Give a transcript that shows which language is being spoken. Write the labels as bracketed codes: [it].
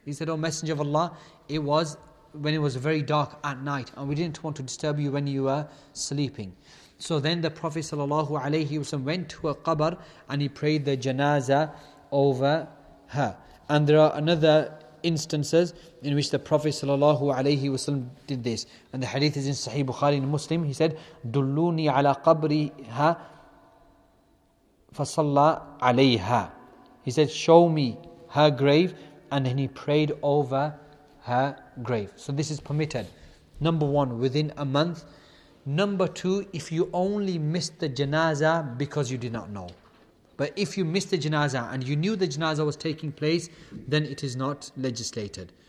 [en] He said, O Messenger of Allah, it was when it was very dark at night, and we didn't want to disturb you when you were sleeping. So then the Prophet sallallahu alaihi wasallam went to a qabr and he prayed the janazah over her. And there are another instances in which the Prophet sallallahu alaihi wasallam did this. And the hadith is in Sahih Bukhari in Muslim. He said, [ar] دُلُّونِي عَلَى قَبْرِهَا فَصَلَّى عَلَيْهَا. [en] He said, show me her grave, and then he prayed over her grave. So this is permitted. Number one, within a month. Number two, if you only missed the janazah because you did not know. But if you missed the janazah and you knew the janazah was taking place, then it is not legislated.